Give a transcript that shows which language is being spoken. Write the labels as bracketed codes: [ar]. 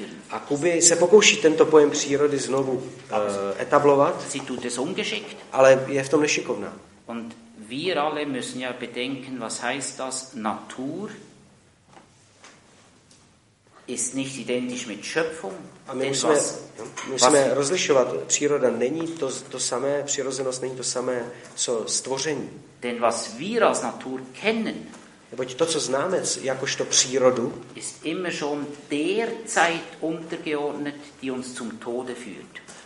[cs] A Kuby se pokouší tento pojem přírody znovu etablovat, ale je v tom nešikovná. [de] Und wir alle müssen ja bedenken, was heißt das? Natur ist nicht identisch mit Schöpfung. [cs] A my musíme rozlišovat. Příroda není to samé, přirozenost není to samé, co stvoření. [de] Denn was wir als Natur kennen, [cs] neboť to, co známe jakožto přírodu, [de] ist immer schon der Zeit untergeordnet, die uns zum Tode führt.